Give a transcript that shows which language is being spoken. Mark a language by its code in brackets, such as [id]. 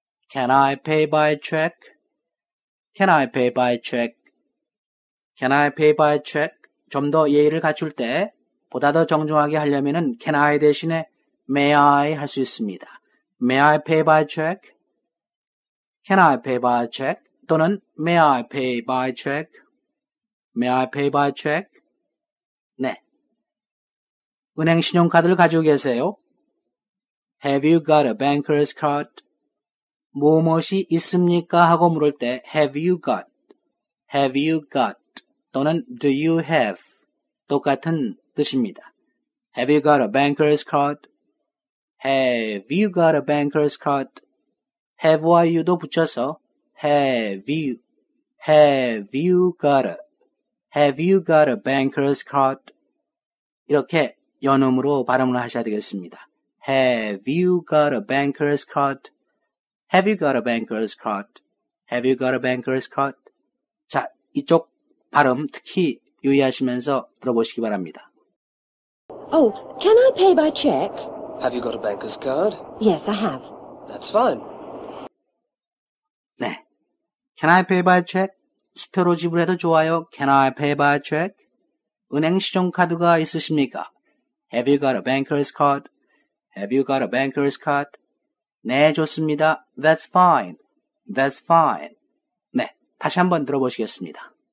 [en] Can I pay by check? Can I pay by check? Can I pay by check? [ko] 좀 더 예의를 갖출 때 보다 더 정중하게 하려면 Can I 대신에 May I 할 수 있습니다. [en] May I pay by check? Can I pay by check? 또는 May I pay by check? May I pay by check? 네. [ko] 은행 신용카드를 가지고 계세요. [en] Have you got a banker's card? [ko] 무엇이 있습니까? 하고 물을 때 [en] Have you got? Have you got? 또는 Do you have? [ko] 똑같은 뜻입니다. [en] Have you got a banker's card? Have you got a banker's card? Have or you도 붙여서 Have you. Have you got a. Have you got a banker's card? [ko] 이렇게 연음으로 발음을 하셔야 되겠습니다. [en] Have you got a banker's card? Have you got a banker's card? Have you got a banker's card? [ko] 자, 이쪽 발음 특히 유의하시면서 들어보시기 바랍니다. [en] Oh, can I pay by check? Have you got a banker's card? Yes, I have. That's fine. 네. Can I pay by check? [ko] 수표로 지불해도 좋아요. [en] Can I pay by check? [ko] 은행 신용카드가 있으십니까? [en] Have you got a banker's card? Have you got a banker's card? [ko] 네, 좋습니다. [en] That's fine. That's fine. [ko] 네, 다시 한번 들어보시겠습니다.